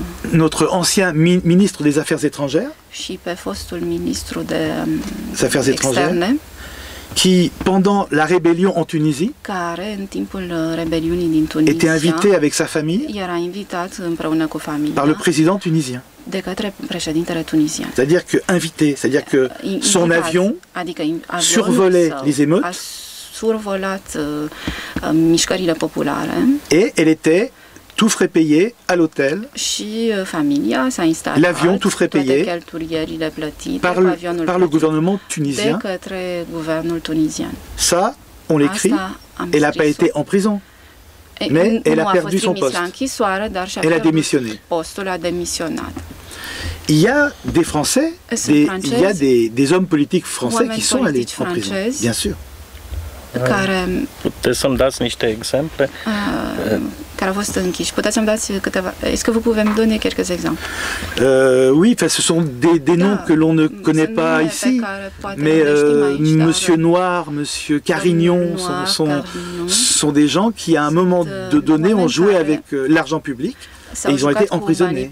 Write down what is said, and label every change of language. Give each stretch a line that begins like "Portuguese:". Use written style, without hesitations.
French: Notre ancien ministre des Affaires étrangères,
Romanian: și pe fostul ministru de
French: Affaires étrangères, qui pendant la rébellion en Tunisie,
Romanian: care, în timpul rebeliunii din Tunisia,
French: était invité avec sa famille,
Romanian: era invitat împreună cu familia,
French: par le président tunisien.
Romanian: De către președintele tunisien.
French: C'est-à-dire que invité, c'est-à-dire que son avion,
Romanian: adică
French: avion survolait les émeutes,
Romanian: a survolat mișcările populare,
French: et elle était tout frais payé à l'hôtel.
Romanian: Și familia s-a instalat.
French: L'avion tout frais payé.
Romanian: Toate cheltuielile plătite.
French: Par le gouvernement tunisien.
Romanian: De către guvernul tunisien.
French: Ça, on l'écrit. Elle n'a pas été en prison. Mais elle a perdu son poste.
Romanian: Nu a fost trimis la închisoare, dar și-a pierdut
French: demisionné.
Romanian: Postul, a demisionat.
French: Il y a des Français, il y a des hommes politiques français qui sont allés en prison, bien sûr.
Romanian: Care, puteți să-mi dați niște exemple? Care au fost închiși. Puteți să-mi dați câteva?
French: Est-ce que vous pouvez me donner quelques exemples? Oui, enfin, ce sont des noms que l'on ne connaît pas ici, mais Monsieur Noir, Monsieur Carignon, sont des gens qui, à un moment donné, ont joué avec l'argent public et ils ont été emprisonnés.